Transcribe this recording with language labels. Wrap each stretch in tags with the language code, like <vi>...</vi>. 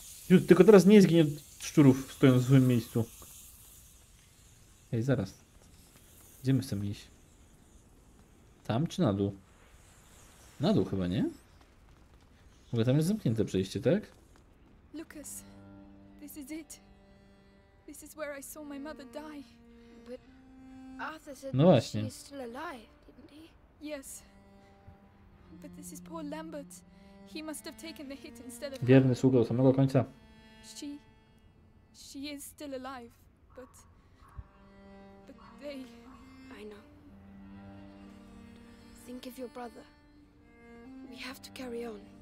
<pl>Już tylko teraz nie zginie szczurów, stojąc w złym miejscu. Ej, zaraz. Gdzie my chcemy iść? Tam czy na dół? Na dół chyba, nie? W ogóle tam jest zamknięte przejście, tak?</pl> <en>Lukas, this is it. This is where I saw my mother die. But Arthur said</en> <pl>no właśnie.</pl> <en>She is still alive, didn't he? Yes. But this is poor Lambert. He must have taken the hit instead of.</en> <pl>Wierny sługa do samego końca.</pl> <en>She is still alive, but. I know. Think of your brother. We have to carry on.</en>